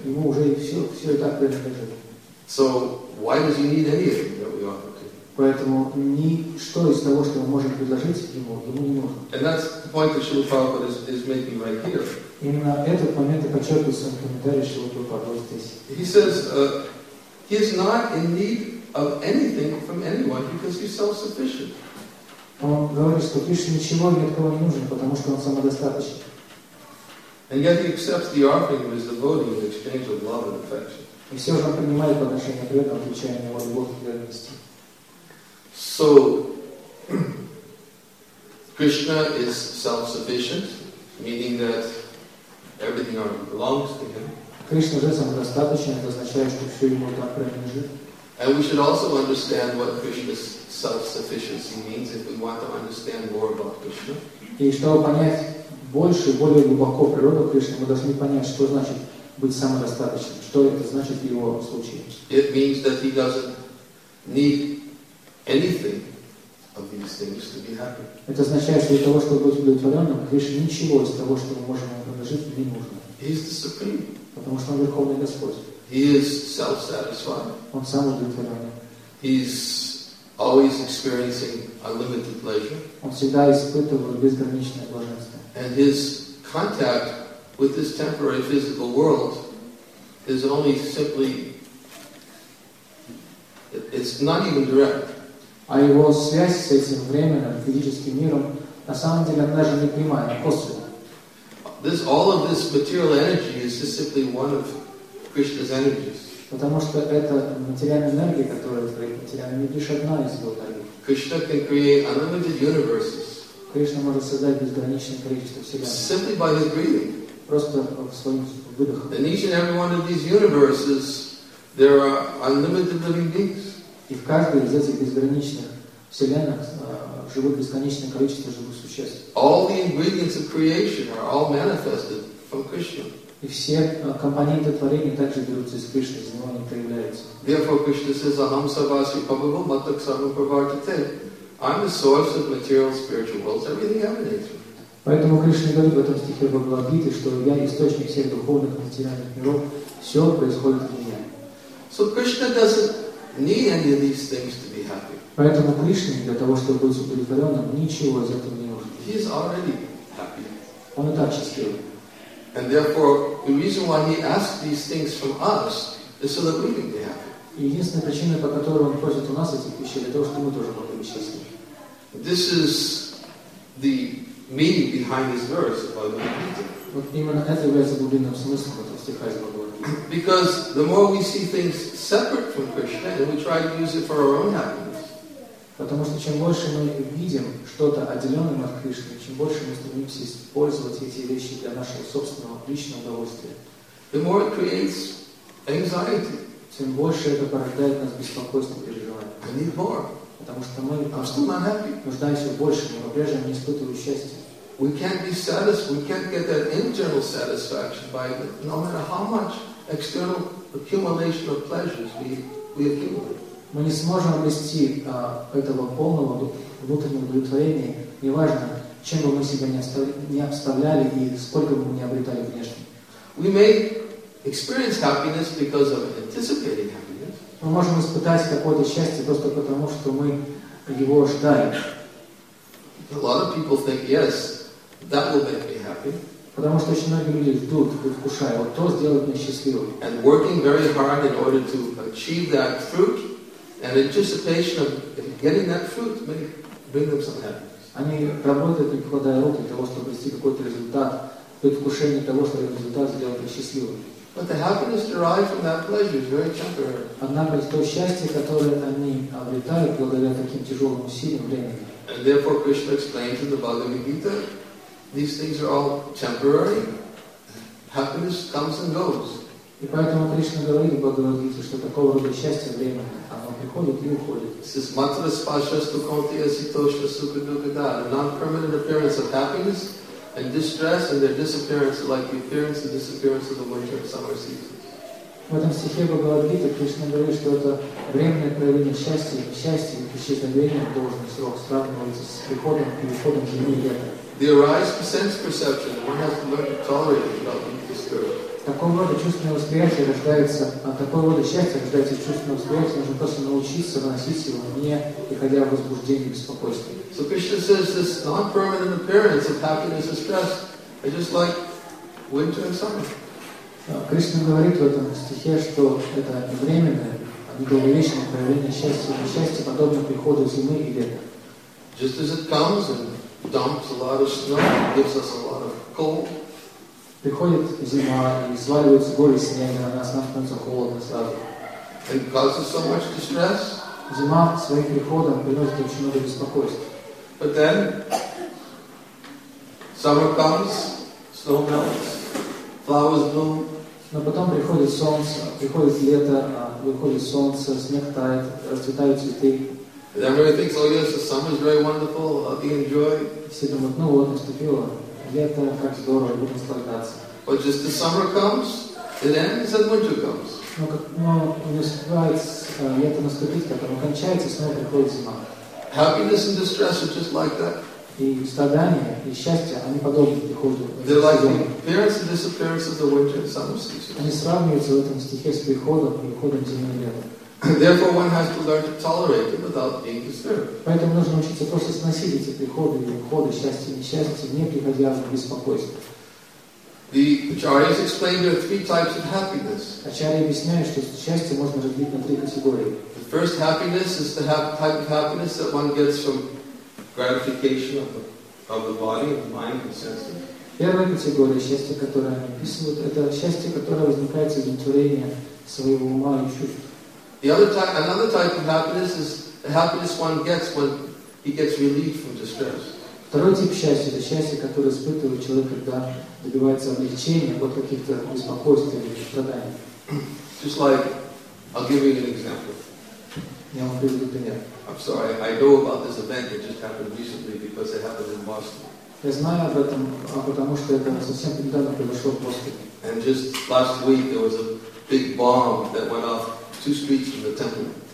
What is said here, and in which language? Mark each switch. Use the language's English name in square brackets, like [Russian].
[Russian] Ему уже все и так принадлежит. [English] So why does he need anything that we offer to him? [Russian] Поэтому ничто из того, что мы можем предложить ему не нужно. [English] And that's the point that Шрила Прабхупада is making right here. [Russian] Именно этот момент и подчеркивается в комментарии Шрилы Прабхупады здесь. [English] He says he is not in need of anything from anyone because he's self-sufficient. [Russian] Он говорит, что Кришне ничего ни от кого не нужен, потому что он самодостаточен. [English] And yet he accepts the offering of his devotee in exchange of love and affection. [Russian] И все же он принимает по отношению к этому, включая его любовь и преданность. [English] So Krishna is self-sufficient, meaning that everything already belongs to him. [Russian] Кришна же самодостаточен, это означает, что все ему так принадлежит. [English] And we should also understand what Krishna's self-sufficiency means if we want to understand more about Krishna. [Russian] И чтобы понять больше и более глубоко природу Кришны, мы должны понять, что значит быть самодостаточным, что это значит в его случае. [English] It means that he doesn't need anything of these things to be happy. [Russian] Это означает, что для того, чтобы быть удовлетворенным, Кришне ничего из того, что мы можем ему предложить, не нужно. [English] He is the Supreme. [Russian] Потому что он Верховный Господь. [English] He is self-satisfied. [Russian] Он сам удовлетворенный. [English] He is always experiencing unlimited pleasure. [Russian] Он всегда испытывает безграничное блаженство. [English] And his contact with this temporary physical world is only simply, it's not even direct. [Russian] А его связь с этим временным физическим миром на самом деле он даже не понимает, косвенно. [English] This, all of this material energy is just simply one of Krishna's energies. [Russian] Потому что это материальная энергия, которая творит материальный мир, лишь одна из его энергий. [English] Krishna can create unlimited universes. [Russian] Кришна может создать безграничное количество вселенных. [English] Simply by his breathing. [Russian] Просто своим выдохом. [English] In each and every one of these universes, there are unlimited living beings. [Russian] И в каждой из этих безграничных вселенных живут бесконечное количество живых существ. [English] All the ingredients of creation are all manifested from Krishna. [Russian] И все компоненты творения также берутся из Кришны, из него они проявляются. [English] Therefore, Krishna says, [Sanskrit] "Aham savasi pabhava matak sarvapravartite." [English] I'm the source of material, spiritual worlds. Everything emanates from. [Russian] Поэтому Кришна говорит в этом стихе Бхагавад-гиты, что я источник всех духовных материальных миров. Все происходит в меня. [English] So Krishna doesn't need any of these things to be happy. [Russian] Поэтому Кришне для того, чтобы быть удовлетворенным, ничего из этого не нужно. [English] He is already happy. [Russian] Он и так счастлив. [English] And therefore, the reason why he asks these things from us is so that we can be happy. [Russian] Единственная причина, по которой он просит у нас этих вещей, для того, чтобы мы тоже могли быть счастливы. [English] This is the meaning behind this verse of Bhagavad-gita. [Russian] Вот именно это является глубинным смыслом этого стиха из Бхагавад-гиты. [English] Because the more we see things separate from Krishna, and we try to use it for our own happiness. [Russian] Потому что чем больше мы видим что-то отделенным от Кришны, чем больше мы стремимся использовать эти вещи для нашего собственного личного удовольствия. [English] The more it creates anxiety. [Russian] Тем больше это порождает нас беспокойство и переживание. Потому что мы нуждаемся в большем, мы по-прежнему не испытываем счастья. [English] We can't be satisfied, we can't get that internal satisfaction by no matter how much external accumulation of pleasures we accumulate. [Russian] Мы не сможем обрести этого полного внутреннего удовлетворения, неважно, чем бы мы себя не обставляли и сколько бы мы не обретали внешне. [English] We may experience happiness because of anticipating happiness. [Russian] Мы можем испытать какое-то счастье просто потому, что мы его ожидаем. [English] A lot of people think, yes, that will make me happy. [Russian] Потому что очень многие люди ждут, предвкушая, вот то сделает меня счастливым. [English] And working very hard in order to achieve that fruit, and anticipation of getting that fruit may bring them some happiness. [Russian] Они работают, не покладая рук, для того, чтобы достичь какой-то результат, предвкушение того, что этот результат сделает меня счастливым. [English] But the happiness derived from that pleasure is very temporary. [Russian] Однако то счастье, которое они обретают благодаря таким тяжелым усилиям времени. [English] And therefore Krishna explains in the Bhagavad Gita, these things are all temporary. Happiness comes and goes. [Russian] И поэтому Кришна говорит в Бхагавад-гите, что такого рода счастье временное, оно приходит и уходит. [English] Says [Sanskrit] matra spashastu kanti asitosha sukha dukha da, [English] the non-permanent appearance of happiness and distress and their disappearance like the appearance and disappearance of the winter and summer seasons. [Russian] В этом стихе Бхагавад-гита Кришна говорит, что это временное проявление счастья, счастье, исчезновение в должный срок сравнивается с приходом и уходом зимы и лета. [English] There arises a sense perception. One has to learn to tolerate it without being disturbed. [Russian] Такого рода чувственное восприятие рождается, а такого рода счастье рождается чувственное восприятие, нужно просто научиться выносить его, не приходя в возбуждение и беспокойство. [English] So Krishna says this non-permanent appearance of happiness and stress is just like winter and summer. [Russian] Кришна говорит в этом стихе, что это временное, а не долговечное проявление счастья и несчастья, подобно приходу зимы и лета. [English] Just as it comes and dumps a lot of snow, gives us a lot of cold. [Russian] Приходит зима и сваливаются горы снега, нас становится холодно сразу. [English] And causes so much distress. [Russian] Зима своим приходом приносит очень много беспокойства. [English] But then summer comes, snow melts, flowers bloom. [Russian] Но потом приходит солнце, приходит лето, выходит солнце, снег тает, расцветают цветы. [English] And everybody thinks, oh yes, the summer is very wonderful. I'll be enjoying. [Russian] Все думают, ну вот наступило. Лето, как здорово, будем наслаждаться. [English] But just the summer comes, it ends, and winter comes. [Russian] Но наступает лето наступит, потом кончается, снова приходит зима. [English] Happiness and distress are just like that. [Russian] И страдания и счастье, они подобны приходу. [English] They're like the appearance and disappearance of the winter and summer season. [Russian] Они сравниваются в этом стихе с приходом и уходом зимы и лета. [English] Therefore, one has to learn to tolerate it without being disturbed. [Russian] Поэтому нужно учиться просто сносить эти приходы и уходы, счастья и несчастья, не приходя в беспокойство. [English] The Acharyas explain there are three types of happiness. [Russian] Ачарьи объясняют, что счастье можно разделить на три категории. [English] The first happiness is the type of happiness that one gets from gratification of the body, of the mind, and senses. [Russian] Первая категория счастья, которую они описывают, это счастье, которое возникает из удовлетворения своего ума и чувств. [English] Another type of happiness is the happiness one gets when he gets relieved from distress. [Russian] Второй тип счастья — это счастье, которое испытывает человек, когда добивается облегчения от каких-то беспокойств или страданий. [English] Just like, I'll give you an example. [Russian] Я вам приведу пример. [English] I'm sorry, I know about this event that just happened recently because it happened in Boston. [Russian] Я знаю об этом, потому что это совсем недавно произошло в Бостоне. [English] And just last week there was a big bomb that went off. Two streets from the temple.